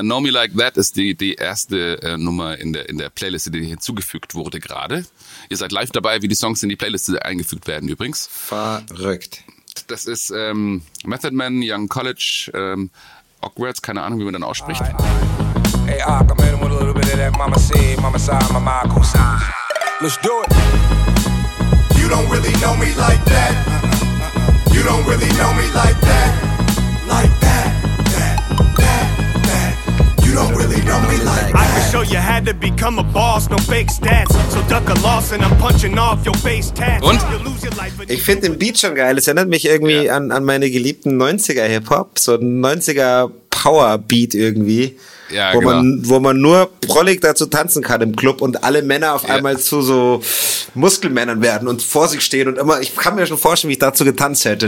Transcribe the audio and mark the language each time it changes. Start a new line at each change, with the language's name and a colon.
German: Know Me Like That ist die erste Nummer in der Playlist, die hinzugefügt wurde gerade. Ihr seid live dabei, wie die Songs in die Playlist eingefügt werden übrigens. Verrückt. Das ist Method Man, Young College, Hogwarts, keine Ahnung, wie man dann ausspricht.
English: Hey, I come in with a little bit of that mama say, mama say, mama cosign. Let's do it. You don't really know me like that. You don't really know me like that. Like that. Really, I can show you how to become a boss, no fake stats. So duck a loss and I'm punching off your face tats.
German: Und? Ich finde den Beat schon geil. Es erinnert mich irgendwie an meine geliebten 90er Hip-Hop. So ein 90er Power-Beat irgendwie. Ja, wo genau. Wo man nur prollig dazu tanzen kann im Club und alle Männer auf einmal zu so Muskelmännern werden und vor sich stehen und immer, ich kann mir schon vorstellen, wie ich dazu getanzt hätte.